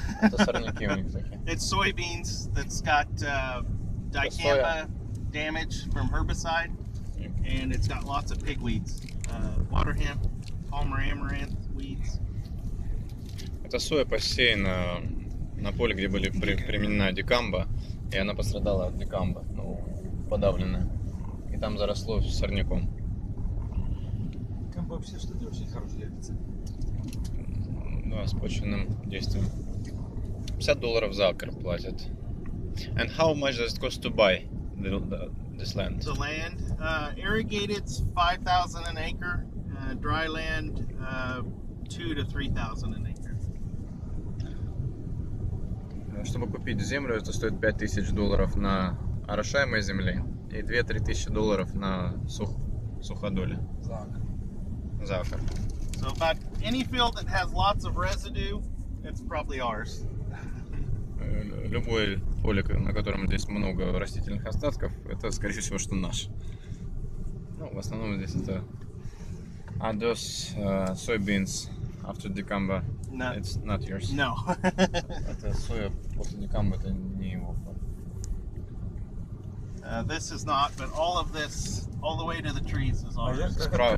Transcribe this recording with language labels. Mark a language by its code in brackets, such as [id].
[en] It's soybeans that's got dicamba damage from herbicide. And it's got lots of pigweeds, water hemp, Palmer amaranth weeds. [ru] Это соя посеяна на поле, где были применена дикамба, и она пострадала от дикамба, ну, подавленная. И там заросло сорняком. Дикамба вообще что-то очень хорошее делится. Да, с почвенным действием. $50 за акр платят. [en] And how much does it cost to buy this land? The land, irrigated, $5,000 an acre. Dry land, $2,000 to $3,000 an acre. [ru] Чтобы купить землю, это стоит $5,000 на орошаемой земле и $2,000-$3,000 на суходоле. За акр. [en] So about any field that has lots of residue, it's probably ours. [ru] Любое поле, на котором здесь много растительных остатков, это, скорее всего, что наш. Ну, в основном здесь это... [en] Are those soybeans after dicamba? Not, it's not yours. No. [ru] Это соя после дикамбы, это не его. [en] This is not, but all of this, all the way to the trees is ours.